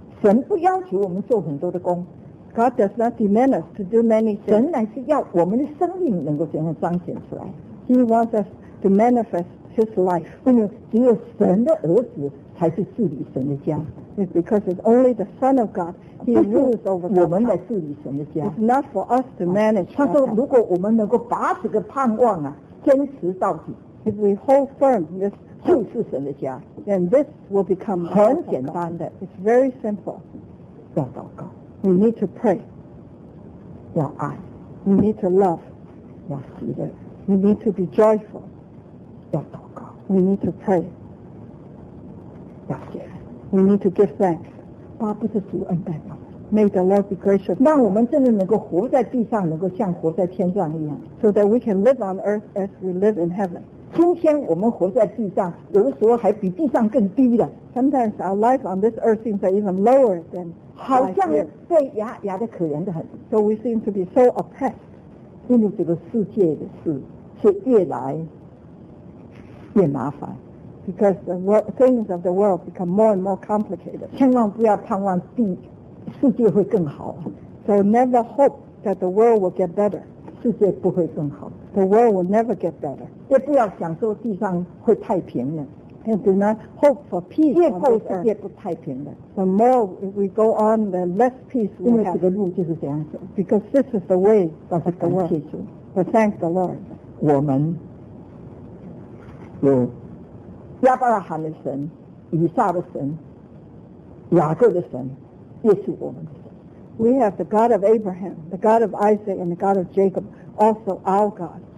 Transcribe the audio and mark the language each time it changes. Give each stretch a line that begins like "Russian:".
Chinese: 神不要求我们做很多的工。
English: God does not demand us to do many things.
Chinese: 神乃是要我们的生命能够怎样彰显出来。
English: He wants us to manifest His life.
Chinese: 因为只有神的儿子才是治理神的家。
English: It's because it's only the Son of God He rules over
Chinese: God. 我们来治理神的家。
English: It's not for us to manage.
Chinese: 他说，如果我们能够把这个盼望啊坚持到底
English: ，If we hold firm this,
Chinese: 就是神的家。
English: Then this will become
Chinese: 很简单的。
English: It's very simple.
Chinese: 要祷告。
English: We need to pray.
Chinese: 要爱。
English: We need to love.
Chinese: 要喜乐。
English: We need to be joyful.
Chinese: 要祷告。
English: We need to pray.
Chinese: 要谢恩。
English: We need to give thanks.
Chinese: 巴不得主恩待我。
English: May the Lord be gracious.
Chinese: 让我们真的能够活在地上，能够像活在天上一样。
English: So that we can live on earth as we live in heaven.
Chinese: 今天我们活在地上，有的时候还比地上更低的。
English: Sometimes our life on this earth seems even lower than.
Chinese: 好像被压压得可怜得很
English: ，so we seem to be so oppressed，
Chinese: 因为这个世界的事是越来越麻烦
English: ，because the world, things of the world become more and more complicated。
Chinese: 千万不要盼望地世界会更好
English: ，so never hope that the world will get better。
Chinese: 世界不会更好
English: ，the world will never get better。
Chinese: 也不要想说地上会太平了。
English: And do not hope for peace.
Chinese: 越后世界不太平的。
English: The more we go on, the less peace we have.
Chinese: 因为这个路就是这样子。
English: Because this is the way.
Chinese: 但是感谢主。
English: But thank the Lord.
Chinese: 我们有亚伯拉罕的神、以撒的神、雅各的神，也是我们的神。
English: We have the God of Abraham, the God of Isaac, and the God of Jacob, also our God.